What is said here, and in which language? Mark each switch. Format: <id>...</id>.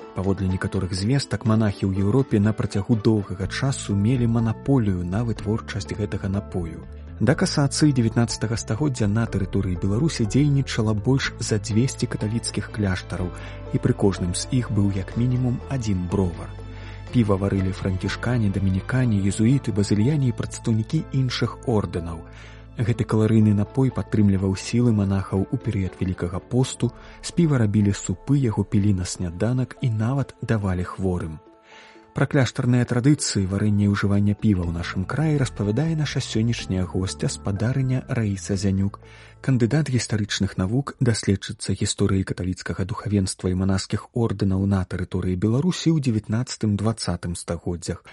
<be>Паводле некаторых звестак, манахі ў Еўропе на працягу доўгага часу мелі манаполію на вытворчасць гэтага напою. Да касацыі 19 стагоддзя на тэрыторыі Беларусі дзейнічала больш за 200 каталіцкіх кляштараў, і пры кожным з іх быў як мінімум адзін бровар.</be> <uk>Піва варили франкішкані, домінікані, єзуїти, базильяні і представники інших орденів.</uk> <be>Гэты каларыйны напой падтрымліваў сілы манахаў у перыяд Вялікага посту, з піва рабілі супы, яго пілі на сняданак і нават давалі хворым. Пра кляштарныя традыцыі варэння і ўжывання піва ў нашым краі распавядае наша сённяшняя госця, спадарыня Раіса Зянюк, кандыдат гістарычных навук, даследчыца гісторыі каталіцкага духавенства і манаскіх ордэнаў на тэрыторыі Беларусі ў 19-20 стагоддзях.</be>